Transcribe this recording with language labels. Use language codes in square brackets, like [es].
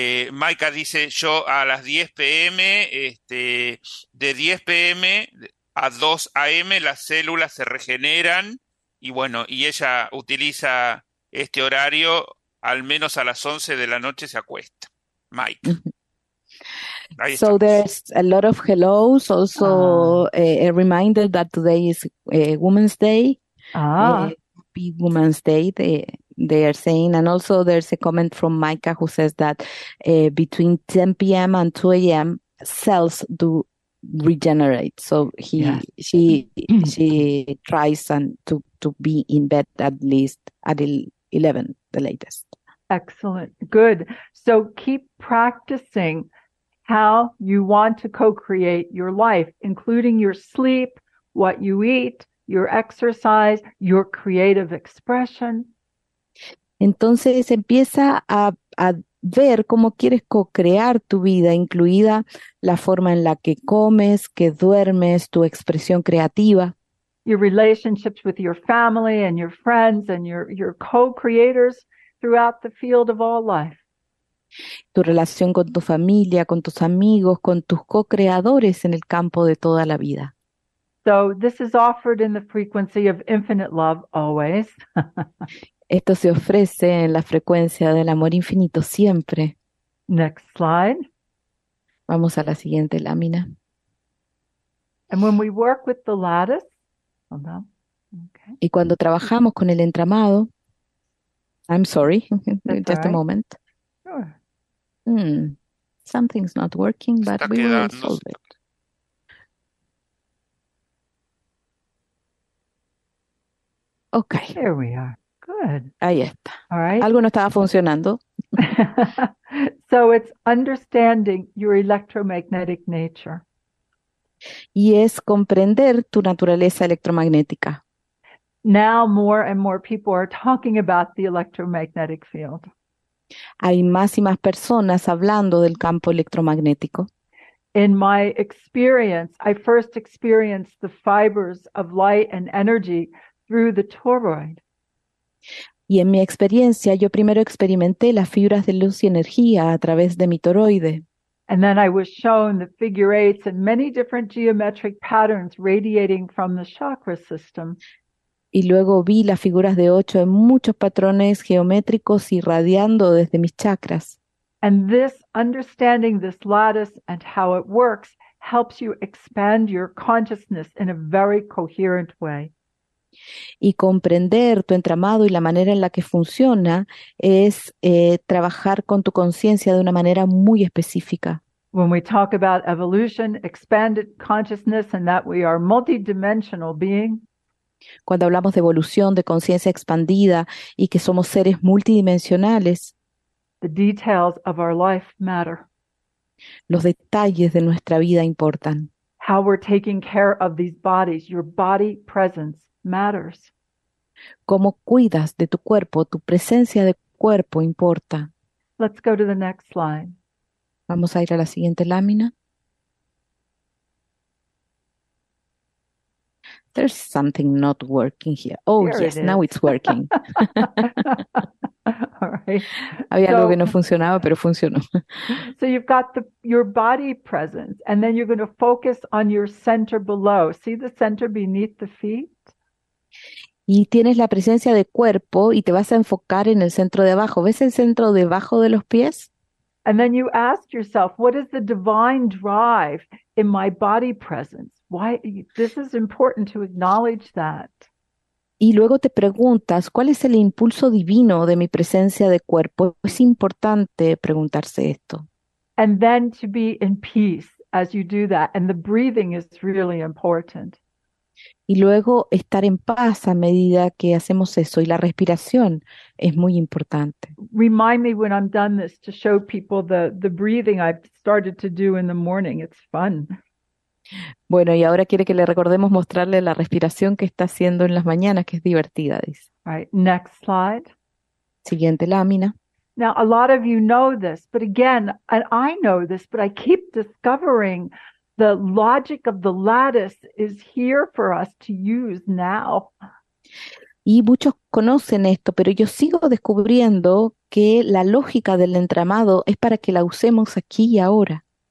[es] Maika dice, yo a las 10 p.m., de 10 p.m. a 2 a.m. las células se regeneran. Y bueno, y ella utiliza este horario. Al menos a las 11 de la noche se acuesta. Mike. Ahí [en] so there's a lot of hellos. Also a reminder that today is Women's Day. Happy Women's Day, they are saying. And also there's a comment from Micah who says that between 10 p.m. and 2 a.m. cells do regenerate. So she tries and to be in bed at least at 11, the latest. Excellent. Good. So keep practicing how you want to co-create your life, including your sleep, what you eat, your exercise, your creative expression. [es] Entonces empieza a ver cómo quieres co-crear tu vida, incluida la forma en la que comes, que duermes, tu expresión creativa. [en] Your relationships with your family and your friends and your co-creators. Throughout the field of all life. [es] Tu relación con tu familia, con tus amigos, con tus co-creadores en el campo de toda la vida. [en] So this is offered in the frequency of infinite love always. [es] Esto se ofrece en la frecuencia del amor infinito siempre. [en] Next slide. [es] Vamos a la siguiente lámina. [en] And when we work with the lattice, hold on. Okay. [es] Y cuando trabajamos con el entramado, [en] I'm sorry, just right. A moment. Sure. Something's not working, but we will solve it. Okay. There we are. Good. [es] Ahí está. [en] All right. [es] Algo no estaba funcionando. [en] So it's understanding your electromagnetic nature. [es] Y es comprender tu naturaleza electromagnética. [en] Now more and more people are talking about the electromagnetic field. [es] Hay más y más personas hablando del campo electromagnético. [en] In my experience, I first experienced the fibers of light and energy through the toroid. [es] Y en mi experiencia, yo primero experimenté las fibras de luz y energía a través de mi toroide. [en] And then I was shown the figure eights and many different geometric patterns radiating from the chakra system. [es] Y luego vi las figuras de ocho en muchos patrones geométricos irradiando desde mis chakras. [en] And this understanding this lattice and how it works helps you expand your consciousness in a very coherent way. [es] Y comprender tu entramado y la manera en la que funciona es trabajar con tu conciencia de una manera muy específica. [en] When we talk about evolution, expanded consciousness, and that we are multidimensional beings. [es] Cuando hablamos de evolución, de conciencia expandida y que somos seres multidimensionales, [en] the details of our life matter. [es] Los detalles de nuestra vida importan. [en] How we're taking care of these bodies, your body presence matters. [es] Cómo cuidas de tu cuerpo, tu presencia de cuerpo importa. [en] Let's go to the next slide. [es] Vamos a ir a la siguiente lámina. [en] There's something not working here. Oh, here yes, it now it's working. [es] Había algo que no funcionaba, pero funcionó. [en] So you've got your body presence, and then you're going to focus on your center below. See the center beneath the feet? [es] Y tienes la presencia de cuerpo y te vas a enfocar en el centro de abajo. ¿Ves el centro debajo de los pies? [en] And then you ask yourself, what is the divine drive in my body presence? Why? This is important to acknowledge that. [es] Y luego te preguntas, ¿cuál es el impulso divino de mi presencia de cuerpo? Es importante preguntarse esto. [en] And then to be in peace as you do that. And the breathing is really important. [es] Y luego estar en paz a medida que hacemos eso. Y la respiración es muy importante. [en] Remind me when I'm done this to show people the breathing I've started to do in the morning. It's fun. [es] Bueno, y ahora quiere que le recordemos mostrarle la respiración que está haciendo en las mañanas, que es divertida, dice. [en] All right, next slide. [es] Siguiente lámina. [en] Now, a lot of you know this, but again, and I know this, but I keep discovering the logic of the lattice is here for us to use now. [es] Y muchos conocen esto, pero yo sigo descubriendo que la lógica del entramado es para que la usemos aquí y ahora.